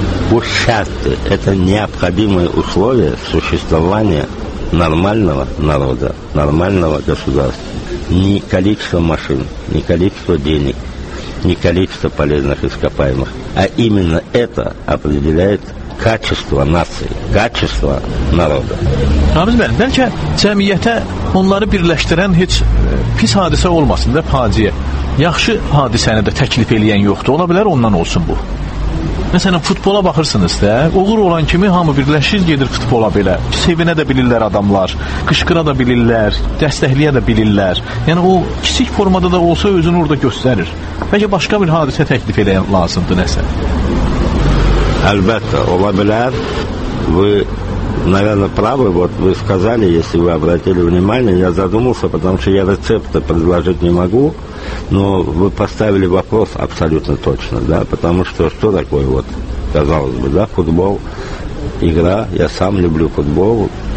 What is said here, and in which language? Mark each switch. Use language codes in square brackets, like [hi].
[ru] Бушарты – это необходимое условие существования нормального народа, нормального государства. Ни количество машин, ни количество денег, не количество полезных ископаемых, а именно это определяет качество нации, качество народа. [az] Рамиз Бәлім, бәлкә cəmiyyətə onları birləşdirən heç pis hadisə olmasın da, faciə. Yaxşı hadisəni də təklif eləyən yoxdur. Ola bilər ondan olsun bu. Məsələn, futbola baxırsınız da, uğur olan kimi hamı birləşir, gedir futbola belə. Sevinə də bilirlər adamlar, qışqıra da bilirlər, dəstəkləyə də bilirlər. Yəni, o kiçik formada da olsa özünü orada göstərir. Bəlkə başqa bir hadisə təklif edən lazımdır nəsə? Əlbəttə, ola bilər. [ru] Вы, наверное, правы, вот вы сказали, если вы обратили внимание, я задумался, потому что я рецепта предложить не могу, но вы поставили вопрос абсолютно точно, да, потому что что такое, вот, казалось бы, да, футбол, игра, я сам люблю футбол,